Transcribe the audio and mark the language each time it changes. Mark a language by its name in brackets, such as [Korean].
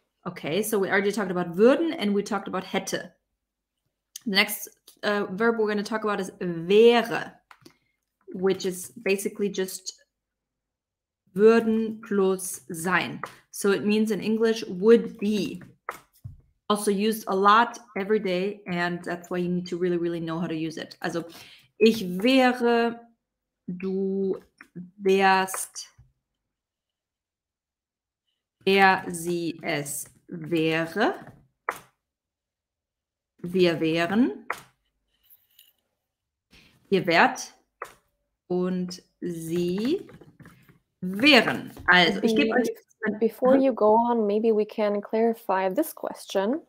[English] Okay, so we already talked about würden and we talked about hätte. The next verb we're going to talk about is wäre, which is basically just würden plus sein. So it means in English would be. Also used a lot every day, and that's why you need to really, really know how to use it. [German] Also ich wäre... Du wärst, er, sie, es wäre, wir wären, ihr wärt und sie wären. Also, ich gebe euch. [English] Before you go on, maybe we can clarify this question.